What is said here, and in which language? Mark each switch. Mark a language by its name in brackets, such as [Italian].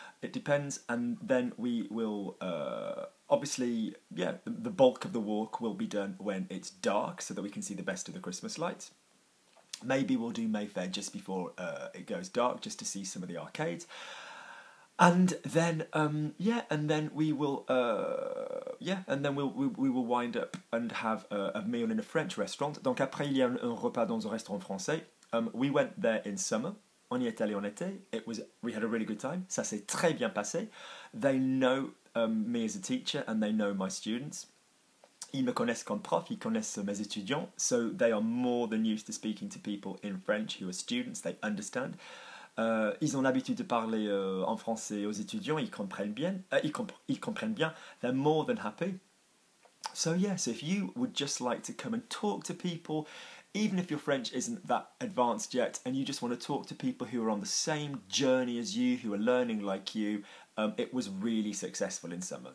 [English] It depends, and then we will, the bulk of the walk will be done when it's dark so that we can see the best of the Christmas lights. Maybe we'll do Mayfair just before it goes dark, just to see some of the arcades. And then, we will wind up and have a meal in a French restaurant. [French] Donc après, il y a un repas dans un restaurant français. [English] We went there in summer. [French] On y est allé en été. [English] We had a really good time. [French] Ça s'est très bien passé. [English] They know me as a teacher and they know my students. [French] Ils me connaissent comme prof, ils connaissent mes étudiants. [English] So they are more than used to speaking to people in French who are students. They understand. [French] Ils ont l'habitude de parler en français aux étudiants. Ils comprennent bien. Ils comprennent bien. [English] They're more than happy. So yes, if you would just like to come and talk to people, even if your French isn't that advanced yet, and you just want to talk to people who are on the same journey as you, who are learning like you, it was really successful in summer.